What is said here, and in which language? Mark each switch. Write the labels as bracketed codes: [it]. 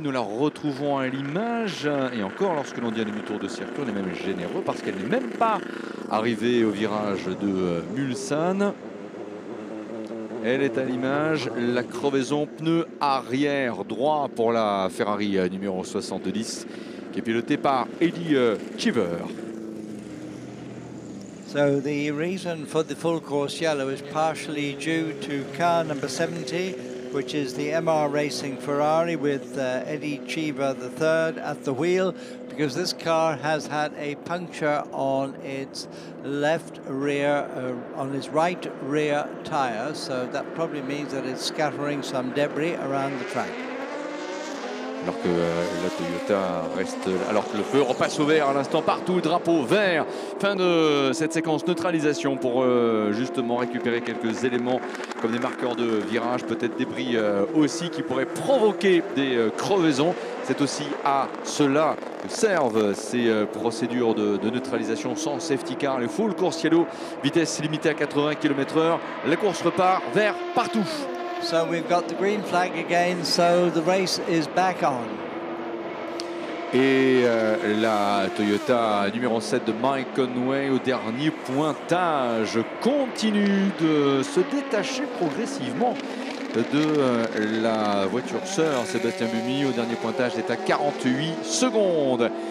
[fr] Nous la retrouvons à l'image. Et encore, lorsque l'on dit un demi-tour de circuit, on est même généreux parce qu'elle n'est même pas arrivée au virage de Mulsanne. Elle est à l'image, la crevaison pneu arrière droit pour la Ferrari numéro 70 qui est pilotée par Eddie Cheever. [en] So the reason for the full course yellow is partially due to car number 70, which is the MR Racing Ferrari with Eddie Cheever the third at the wheel, because this car has had a puncture on its left rear, on its right rear tire. So that probably means that it's scattering some debris around the track. [fr] Alors que la Toyota reste, alors que le feu repasse au vert à l'instant partout, drapeau vert. Fin de cette séquence neutralisation pour justement récupérer quelques éléments comme des marqueurs de virage, peut-être débris aussi qui pourraient provoquer des crevaisons. C'est aussi à cela que servent ces procédures de neutralisation sans safety car. Le full course yellow, vitesse limitée à 80 km/h. La course repart vert partout. [en] So we've got the green flag again, so the race is back on. [fr] Et la Toyota numéro 7 de Mike Conway au dernier pointage continue de se détacher progressivement de la voiture sœur. Sébastien Mumy au dernier pointage est à 48 secondes.